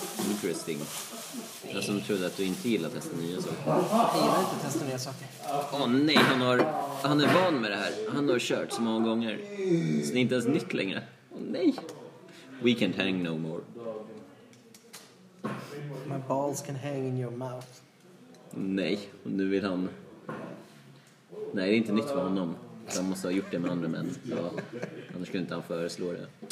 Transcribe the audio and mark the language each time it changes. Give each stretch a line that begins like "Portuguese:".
English: Interesting.
Swedish: Jag som trodde att du inte gillar att testa nya saker. Jag gillar inte att testa nya saker. Åh nej, han är van med det här. Han har kört så många gånger. Så det är inte ens nytt längre. Åh nej.
English: We can't hang no more. My balls can hang in your mouth.
Swedish: Nej, och nu vill han... Nej, det är inte nytt för honom. Han måste ha gjort det med andra män. Ja. Annars skulle inte han föreslå det.